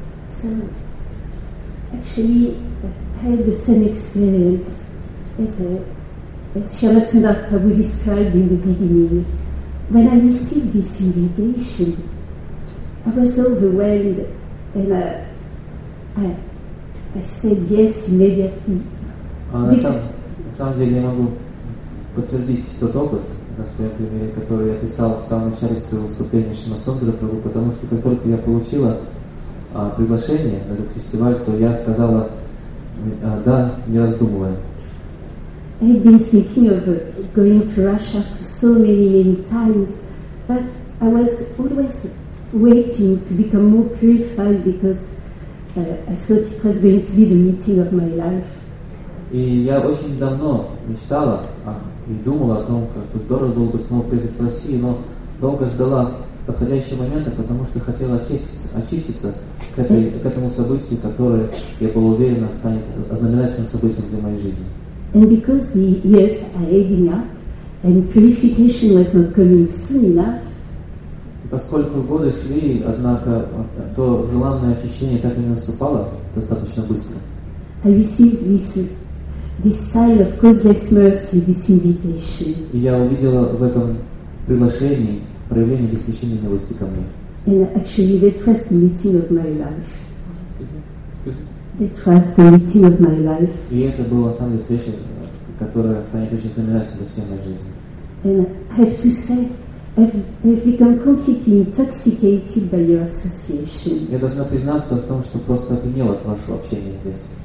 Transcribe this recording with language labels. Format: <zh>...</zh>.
<en>So, actually, I had the same experience as Shyamasundara Prabhu described in the beginning. When I received this invitation, I was overwhelmed and I said yes immediately.</en> <ru>На самом деле я могу подтвердить тот опыт, на своем примере, который я писал в самом начале своего вступления в Шримасундара Прабху, потому что как только я получила приглашение на этот фестиваль, то я сказала «да», не раздумывая.</ru> <en>I've been thinking of going to Russia so many times, but I was always waiting to become more purified because I thought it was going to be the meeting of my life.</en> <ru>И я очень давно мечтала и думала о том, как бы здорово было бы снова приехать в Россию, но долго ждала подходящего момента, потому что хотела очиститься к этому событию, которое, я была уверена, станет ознаменательным событием для моей жизни.</ru> <en>And because the years are adding up, and purification was not coming soon enough.</en> <ru>Поскольку годы шли, однако то желанное очищение так и не наступало достаточно быстро.</ru> <en>I received this sign of causeless mercy, this invitation.</en> <ru>И я увидела в этом приглашении проявление беспричинной милости ко мне.</ru> <en>And actually, that was the meeting of my life. It was the meeting of my life.</en> <ru>И это было самое встречение, которое станет очень знаменательным во всей моей жизни.</ru> <en>And I have to say, I've become completely intoxicated by your association.</en> <ru>Я должна признаться в том, что просто опьянела от вашего общения здесь.</ru>